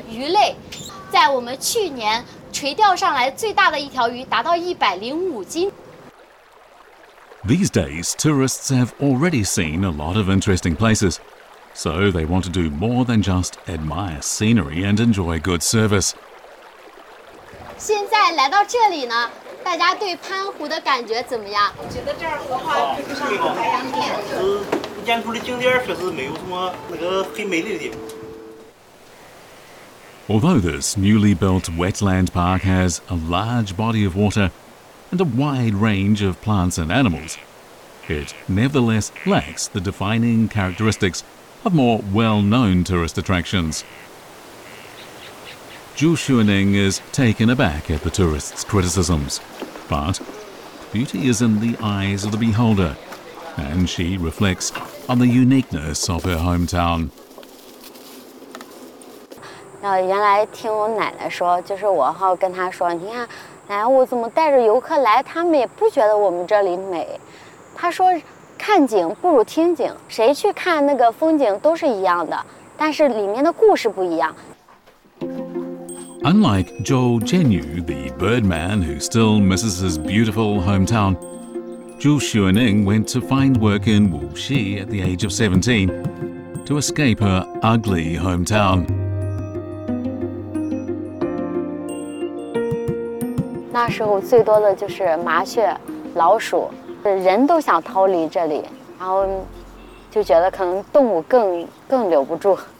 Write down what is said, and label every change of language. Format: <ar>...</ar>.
<en>In our last year,</en> <zh>垂钓上来最大的一条鱼达到105斤。</zh> <en>These days, tourists have already seen a lot of interesting places, so they want to do more than just admire scenery and enjoy good service.</en> <zh>现在来到这里呢，大家对潘湖的感觉怎么样？我觉得这儿荷花配不上海洋面。是沿途的景点，确实没有什么那个很美丽的地方。</zh> <en>Although this newly built wetland park has a large body of water and a wide range of plants and animals, it nevertheless lacks the defining characteristics of more well-known tourist attractions. Zhu Xueming is taken aback at the tourists' criticisms, but beauty is in the eyes of the beholder, and she reflects on the uniqueness of her hometown.</en> <zh>原来听我奶奶说，就是我好跟她说，你看，奶奶，我怎么带着游客来，他们也不觉得我们这里美。她说，看景不如听景，谁去看那个风景都是一样的，但是里面的故事不一样。</zh> <en>Unlike Zhou Jianyu, the birdman who still misses his beautiful hometown, Zhu Xueming went to find work in Wuxi at the age of 17 to escape her ugly hometown.</en> <zh>那时候最多的就是麻雀、老鼠，人都想逃离这里，然后就觉得可能动物更留不住。</zh>